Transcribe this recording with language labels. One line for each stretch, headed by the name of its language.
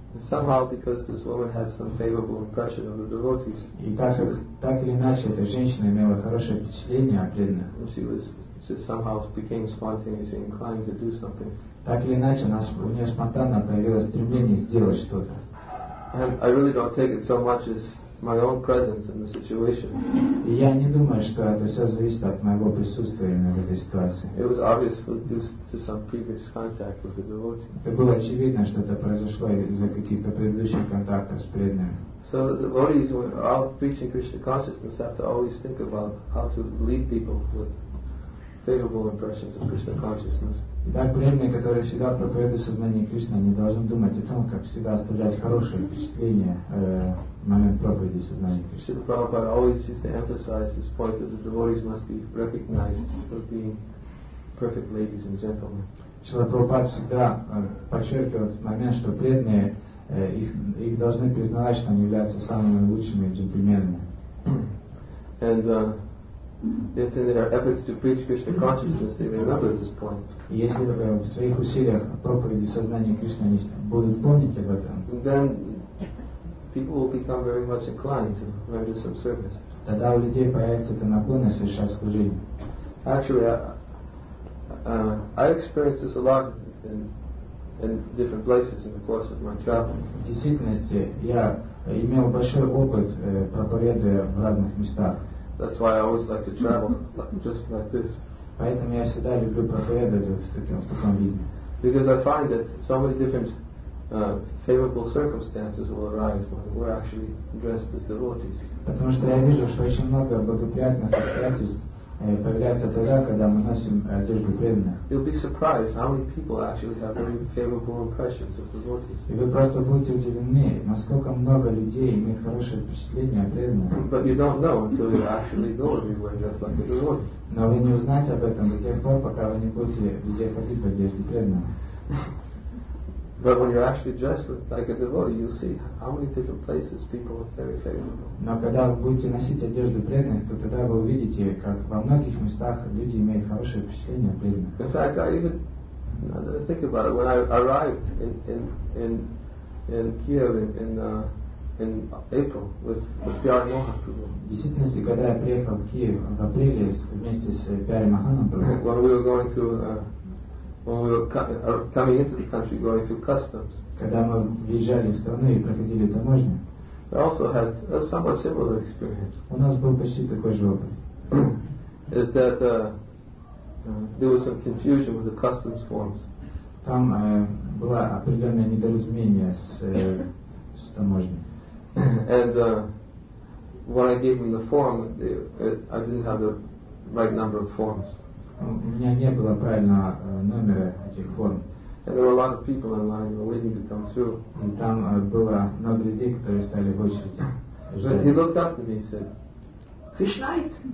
English: Somehow, because this woman had some favorable impression of the devotees.
Russian: И так или иначе, эта женщина имела хорошее впечатление о преданных.
English: She somehow became spontaneously inclined to do something.
Russian: Так или иначе, у нее спонтанно появилось стремление сделать что-то.
English: And I really don't take it so much as my own presence in the situation.
Russian: И я не думаю, что это все зависит от моего присутствия именно в этой ситуации.
English: It was obviously due to some previous contact with the devotee.
Russian: Это было очевидно, что это произошло из-за каких-то предыдущих контактов с преданными.
English: So the devotees who are out preaching Krishna consciousness have to always think about how to lead people with favorable impressions of Krishna consciousness.
Russian: Итак, преданные, которые всегда проповедуют сознание Кришны, они должны думать о том, как всегда оставлять хорошее впечатление в момент проповеди сознания Кришны.
English: Шрила Прабхупада always used to emphasize this point that the devotees must be recognized for being perfect ladies and gentlemen.
Russian: Шрила Прабхупада всегда подчеркивал этот момент, что преданные их должны признавать, что они являются самыми лучшими джентльменами.
English: And, if in their efforts to preach Krishna consciousness, they remember this point.
Russian: Если в своих усилиях проповеди сознания Кришны они будут помнить об этом,
English: then people will become very much inclined to render some service.
Russian: Тогда у людей появится эта наклонность совершать служение.
English: Actually, I experienced this a lot in different places in the course of my travels.
Russian: В действительности, я имел большой опыт проповедуя в разных местах.
English: That's why I always like to travel just like this.
Russian: Поэтому я всегда люблю проповедовать в таком виде.
English: Because I find that so many different favorable circumstances will arise when we're actually dressed as devotees.
Russian: Потому что я вижу, что очень много благоприятных обстоятельств появляется тогда, когда мы носим одежду преданных.
English: You'll be surprised how many people actually have very favorable impressions of devotees.
Russian: И вы просто будете удивлены, насколько много людей имеет хорошее впечатление о преданных.
English: But you don't know until you actually go everywhere dressed like a devotee.
Russian: Но вы не узнаете об этом до тех пор, пока вы не будете везде ходить в одежде преданных.
English: But when you're actually dressed like a devotee, you'll see how many different places people are very favorable.
Russian: Но когда вы будете носить одежду преданных, то тогда вы увидите, как во многих местах люди имеют хорошее впечатление о преданных.
English: In fact, I even, now that I think about it, when I arrived in Kiev in April with Pyar Mahaprabhu.
Russian: В действительности, когда я приехал в Киев в апреле вместе с Пьяром Махапрабху.
English: When we were going to coming into the country, going through customs.
Russian: Когда мы въезжали в страну и проходили таможню,
English: we also had a somewhat similar experience.
Russian: У нас был почти такой же опыт.
English: Is that there was some confusion with the customs forms?
Russian: Там было определенное недоразумение с таможней.
English: And when I gave them the form, I didn't have the right number of forms.
Russian: У меня не было правильного номера этих форм.
English: And there were a lot of people in line waiting to come through.
Russian: И там было много людей, которые стояли в очереди.
English: But he looked up to me and said, "Krishnait."